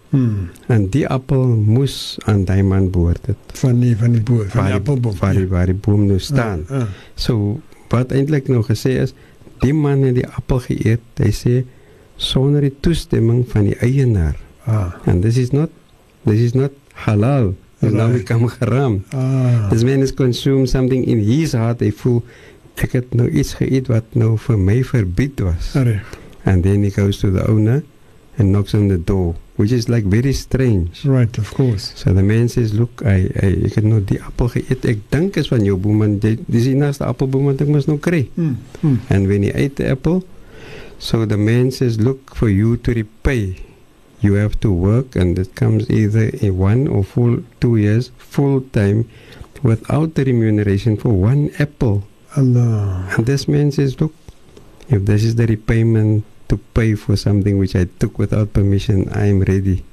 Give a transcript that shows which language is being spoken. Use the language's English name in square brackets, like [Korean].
[Afrikaans] En die appel moes aan die man behoort het. Van die appelboom. Waar die boom nou staan. So wat eindelijk nou gesê is, die man het die appel geëet, hy sê, sonder die toestemming van die eienaar. [English] And this is not halal. Right. Now we come haram. This man has consumed something in his heart. He feel, [Afrikaans] ek het nou iets geëet wat nou vir my verbied was. [English] Right. And then he goes to the owner and knocks on the door, which is like very strange. Right, of course. So the man says, look, I [Afrikaans] ek het nou die appel geëet. Ek dink is van jou boom, want die is die naaste appelboom wat ek moest nou kry. [English] And when he ate the apple, so the man says, look, for you to repay, you have to work, and it comes either a 1 or 2 years full time without the remuneration for one apple. Allah. And this man says, look, if this is the repayment to pay for something which I took without permission, I am ready.